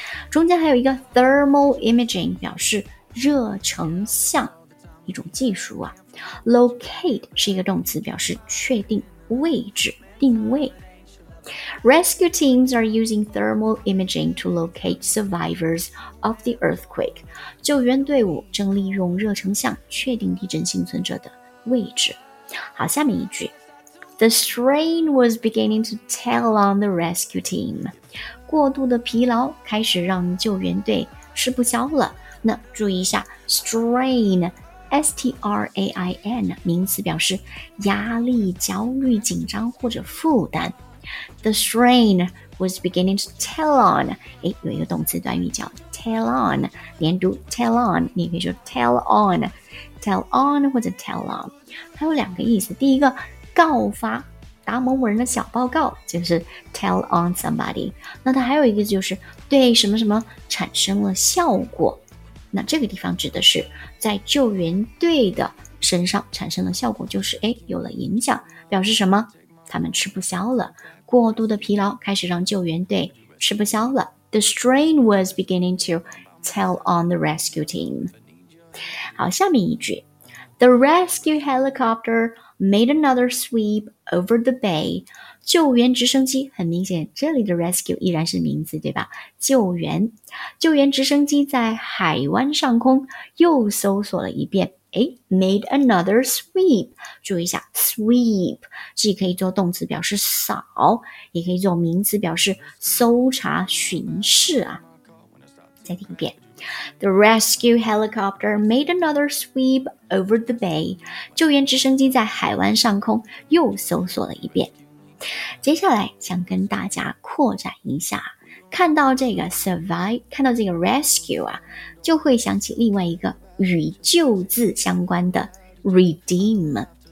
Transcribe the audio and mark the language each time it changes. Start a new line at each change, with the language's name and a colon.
Chinese: 中间还有一个 thermal imaging， 表示热成像一种技术啊。 locate 是一个动词，表示确定位置定位。
English: Rescue teams are using thermal imaging to locate survivors of the earthquake.
Chinese: 救援队伍正利用热成像确定地震幸存者的位置。好，下面一句。
English: The strain was beginning to tell on the rescue team.
Chinese: 过度的疲劳开始让救援队吃不消了。那注意一下 ,strain,S-T-R-A-I-N, 名词表示压力、焦虑、紧张或者负担。
English: The strain was beginning to tell on.
Chinese: 诶，有一个动词短语叫 tell on, 连读 tell on, 你可以说 tell on, tell on 或者 tell on。它有两个意思，第一个告发，达某某人的小报告就是 tell on somebody。那它还有一个就是对什么什么产生了效果。那这个地方指的是在救援队的身上产生的效果，就是哎，有了影响，表示什么？他们吃不消了，过度的疲劳开始让救援队吃不消了。
English: The strain was beginning to tell on the rescue team.
Chinese: 好，下面一句。
English: The rescue helicopter made another sweep over the bay.
Chinese: 救援直升机，很明显，这里的 rescue 依然是名字，对吧？救援。救援直升机在海湾上空又搜索了一遍。
English: 诶， made another sweep.
Chinese: 注意一下， sweep 既可以做动词表示扫，也可以做名词表示搜查巡视啊。再听一遍。
English: The rescue helicopter made another sweep over the bay.
Chinese: 救援直升机在海湾上空又搜索了一遍。接下来想跟大家扩展一下，看到这个 survive, 看到这个 rescue 啊，就会想起另外一个与救字相关的 redeem。